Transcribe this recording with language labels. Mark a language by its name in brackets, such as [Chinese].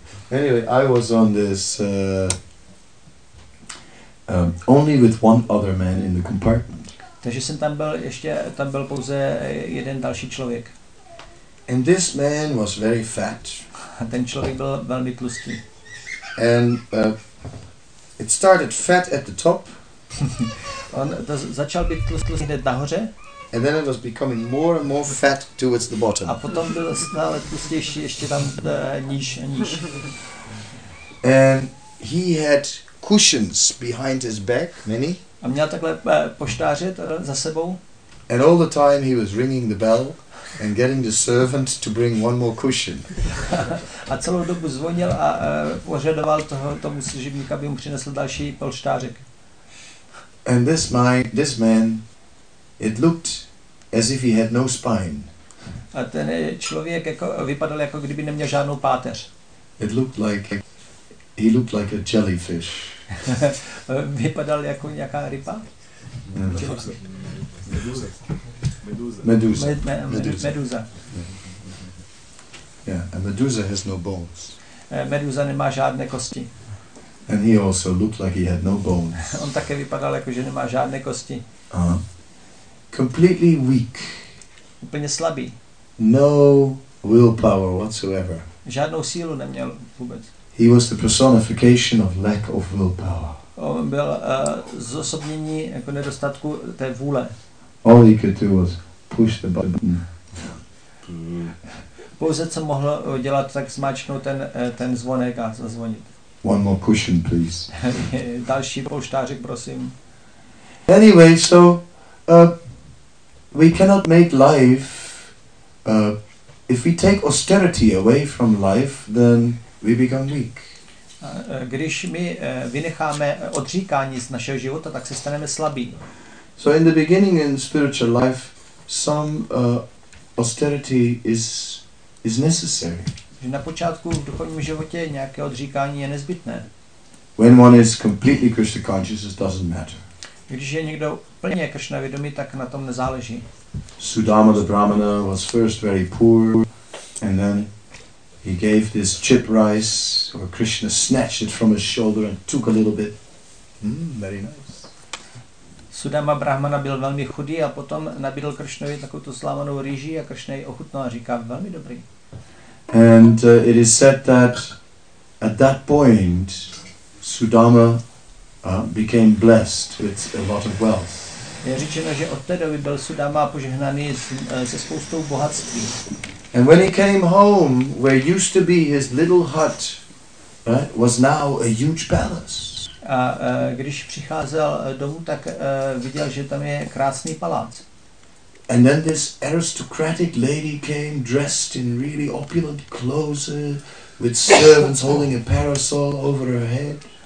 [English] Anyway, I was on this only with one other man in the compartment. [Czech] Takže jsem tam byl ještě, tam byl pouze jeden další člověk. [English] And this man was very fat. [Czech] A ten člověk byl velmi tlustý. [English] And it started fat at the top. [Czech] On to začal být tlustý hned nahoře. [English] And then it was becoming more and more fat towards the bottom. [Czech] A potom byl stále tlustější ještě tam níž a níž. [English] And he had cushions behind his back, many. [Czech] A měl takhle poštáře za sebou. [English] And all the time he was ringing the bell and getting the servant to bring one more cushion. [Czech] A celou dobu zvonil a požadoval toho tomu služebníka, aby mu přinesl další polštářek. [English] And this man, it looked as if he had no spine. [Czech] A ten člověk jako vypadal jako kdyby neměl žádnou páteř. [English] It looked like he looked like a jellyfish. [Czech] Vypadal jako nějaká ryba? Meduza. [English] Yeah, and Meduza has no bones. [Czech] Meduza nemá žádné kosti. [English] And he also looked like he had no bones. [Czech] On také vypadal jako, že nemá žádné kosti. [English] Completely weak. [Czech] Úplně slabý. [English] No willpower whatsoever. [Czech] Žádnou sílu neměl vůbec. [English] He was the personification of lack of willpower. [Czech] On byl zosobnění jako nedostatku té vůle. [English] All he could do was push the button. [Czech] Pouze co mohl dělat, tak zmáčknout ten zvonek a zazvonit. [English] One more cushion, please. [Czech] Další polštářek, prosím. [English] Anyway, so we cannot make life. If we take austerity away from life, then we become weak. [Czech] Když my vynecháme odříkání z našeho života, tak se staneme slabí. [English] So in the beginning in spiritual life, some austerity is necessary. [Czech] Že na počátku v duchovním životě nějaké odříkání je nezbytné. [English] When one is completely Krishna conscious, it doesn't matter. [Czech] Když je někdo plně Krishna vědomý, tak na tom nezáleží. [English] Sudama the Brahmana was first very poor, and then he gave this chip rice, or Krishna snatched it from his shoulder and took a little bit. Very nice. [Czech] Sudama Brahmana byl velmi chudý a potom nabídl Krishnovi takovou slámanou rýži a Krishna ji ochutnal a říká, velmi dobrý. [English] And it is said that at that point Sudama became blessed with a lot of wealth. [Czech] Je řečeno, že od té doby byl Sudama požehnaný se spoustou bohatství. [English] And when he came home, where used to be his little hut, was now a huge palace. [Czech] A když přicházel domů, tak viděl, že tam je krásný palác. [English] And then this aristocratic lady came dressed in really opulent clothes with servants holding a parasol over her head.